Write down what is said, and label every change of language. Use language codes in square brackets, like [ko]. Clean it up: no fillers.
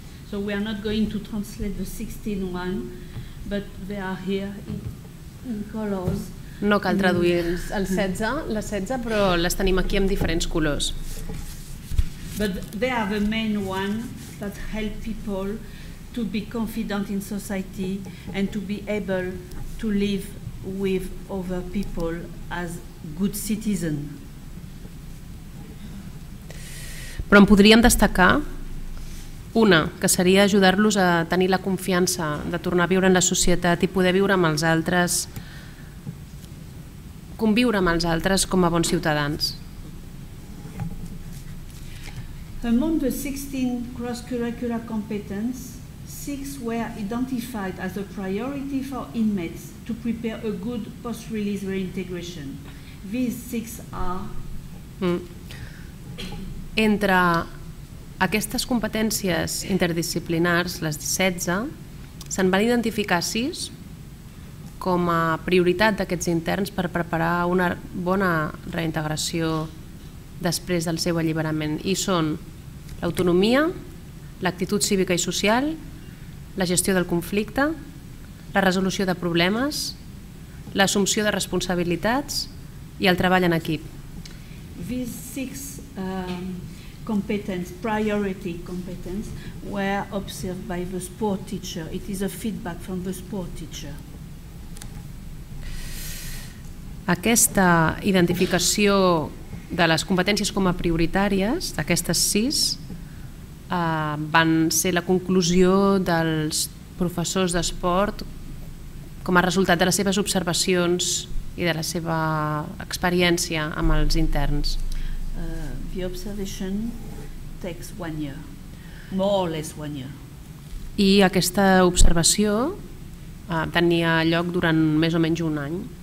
[en] So we are not going to translate the 16 one, but they are here in colors. [ca] No cal traduir les 16, però les tenim aquí amb diferents colors. [en] But they are the main one that help people to be confident in society and to be able to live with other people as good citizen. [ca] Però en podríem destacar una, que seria ajudar-los a tenir la confiança de tornar a viure en la societat i poder viure amb els altres, conviure amb els altres com a bons ciutadans. [en] Among the 16 cross-curricular competences, 6 were identified as a priority for inmates to prepare a good post-release reintegration. These 6 are... [ca] Entre aquestes competències interdisciplinars, les 16, se'n van identificar 6 com a prioritat d'aquests interns per preparar una bona reintegració després del seu alliberament, i són l'autonomia, l'actitud cívica i social, la gestió del conflicte, la resolució de problemes, l'assumpció de responsabilitats i el treball en equip. [en] These 6 competence, priority competence, were observed by the sport teacher. It is a feedback from the sport teacher. [ca] Aquesta identificació de les competències com a prioritàries, d'aquestes 6, van ser la conclusió dels professors d'esport com a resultat de les seves observacions i de la seva experiència amb els interns. [en] The observation takes 1 year, more or less 1 year. [ca] I aquesta observació tenia lloc durant més o menys un any.